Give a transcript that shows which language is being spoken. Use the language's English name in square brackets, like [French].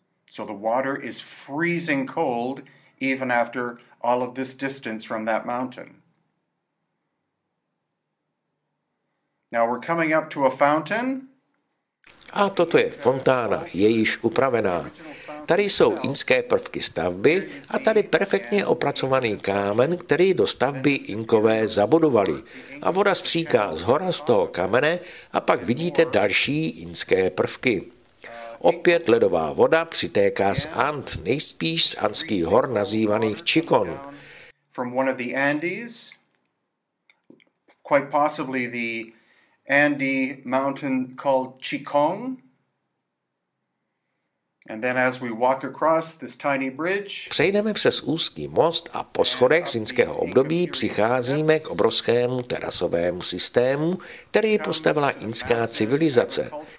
[English] So the water is freezing cold even after all of this distance from that mountain. Now we're coming up to a fountain. [Czech] A toto je fontána, je již upravená. Tady jsou inské prvky stavby a tady perfektně opracovaný kámen, který do stavby Inkové zabudovali. A voda stříká z hora z toho kamene a pak vidíte další inské prvky. Opět ledová voda přitéká z And, nejspíš z andských hor nazývaných Chicon. [English] From one of the Andes, quite possibly the Andy mountain called Chicon. And then as we walk across this tiny bridge, [Czech] přejdeme přes úzký most a po schodech zinského období přicházíme k obrovskému terasovému systému, který postavila inská civilizace.